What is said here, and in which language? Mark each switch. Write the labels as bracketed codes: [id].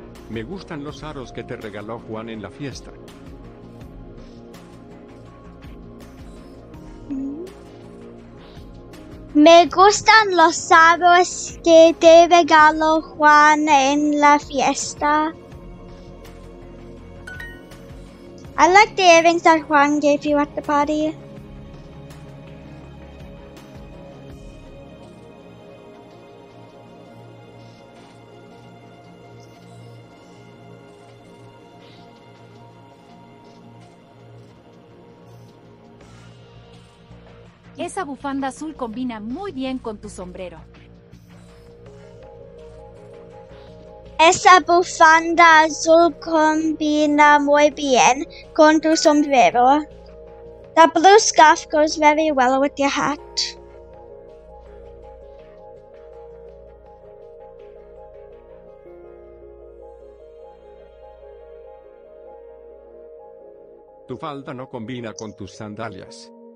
[es] Me gustan los aros que te regaló Juan en la fiesta. Me gustan los aros que te regaló Juan en la fiesta. [en] I like the earrings that Juan gave you at the party. [es] Esa bufanda azul combina muy bien con tu sombrero. Esa bufanda azul combina muy bien con tu sombrero. [en] That blue scarf goes very well with your hat. [es] Tu falda no combina con tus sandalias.